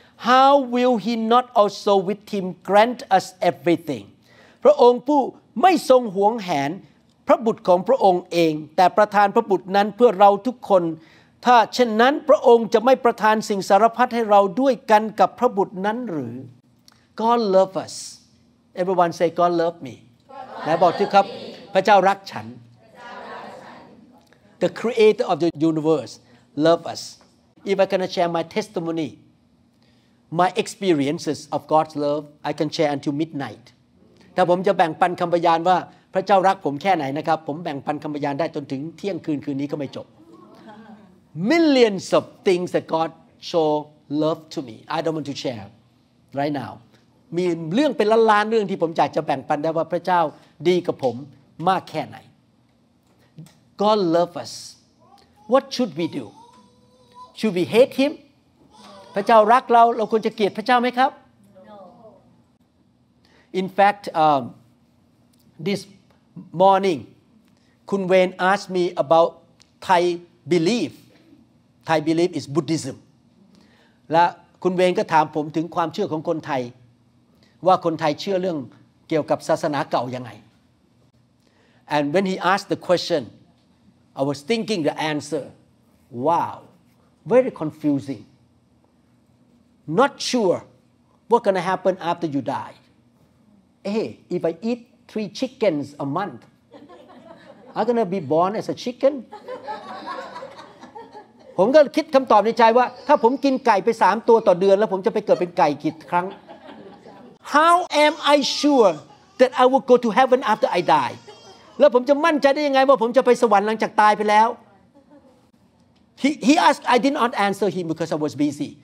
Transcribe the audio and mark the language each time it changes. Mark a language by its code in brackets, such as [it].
[en] How will he not also with him grant us everything? [th] พระองค์ผู้ไม่ทรงหวงแหนพระบุตรของพระองค์เองแต่ประทานพระบุตรนั้นเพื่อเราทุกคนถ้าเช่นนั้นพระองค์จะไม่ประทานสิ่งสารพัดให้เราด้วยกันกับพระบุตรนั้นหรือ [en] God loves us everyone say God love me [th] และบอกที่ครับพระเจ้ารักฉัน [en] The creator of the universe love us If I can share my testimony my experiences of God's love I can share until midnight [th] ถ้าผมจะแบ่งปันคำพยานว่าพระเจ้ารักผมแค่ไหนนะครับผมแบ่งปันคำพยานได้จนถึงเที่ยงคืนคืนนี้ก็ไม่จบ [en] Millions of things that God show love to me I don't want to share right now [th] มีเรื่องเป็นล้านๆเรื่องที่ผมอยากจะแบ่งปันได้ว่าพระเจ้าดีกับผมมากแค่ไหน [en] God love us What should we do? Should we hate him? [th] พระเจ้ารักเราเราควรจะเกลียดพระเจ้าไหมครับ [en] No In fact This morning, Kun Wen asked me about Thai belief. Thai belief is Buddhism. [th] และคุณเวนก็ถามผมถึงความเชื่อของคนไทยว่าคนไทยเชื่อเรื่องเกี่ยวกับศาสนาเก่ายังไง [en] And when he asked the question, I was thinking the answer. Wow, very confusing. Not sure what's going to happen after you die. Hey, if I eat three chickens a month. I'm going to be born as a chicken. [th] ผมก็คิดคำตอบในใจว่าถ้าผมกินไก่ไป3ตัวต่อเดือนแล้วผมจะไปเกิดเป็นไก่กี่ครั้ง [en] How am I sure that I will go to heaven after I die? [th] แล้วผมจะมั่นใจได้ยังไงว่าผมจะไปสวรรค์หลังจากตายไปแล้ว [en] He asked I did not answer him because I was busy.